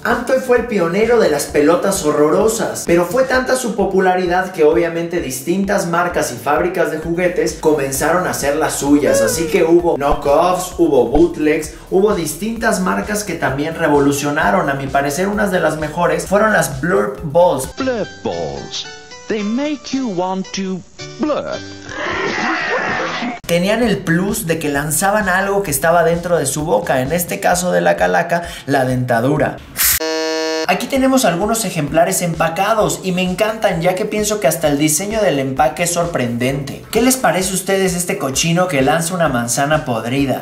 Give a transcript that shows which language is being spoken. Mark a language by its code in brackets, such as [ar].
[es] Amtoy fue el pionero de las pelotas horrorosas, pero fue tanta su popularidad que obviamente distintas marcas y fábricas de juguetes comenzaron a hacer las suyas, así que hubo knockoffs, hubo bootlegs, hubo distintas marcas que también revolucionaron. A mi parecer, unas de las mejores fueron las Blurp Balls. [en] Blurp Balls, they make you want to blurp. [es] Tenían el plus de que lanzaban algo que estaba dentro de su boca, en este caso de la calaca, la dentadura. Aquí tenemos algunos ejemplares empacados y me encantan, ya que pienso que hasta el diseño del empaque es sorprendente. ¿Qué les parece a ustedes este cochino que lanza una manzana podrida?